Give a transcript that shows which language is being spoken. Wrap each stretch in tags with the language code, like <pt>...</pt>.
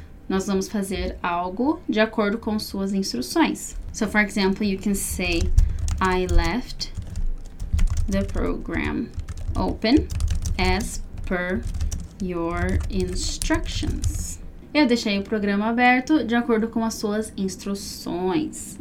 <pt>Nós vamos fazer algo de acordo com suas instruções.</pt> <en>So for example, you can say, I left the program open as per your instructions.</en> <pt>Eu deixei o programa aberto de acordo com as suas instruções.</pt>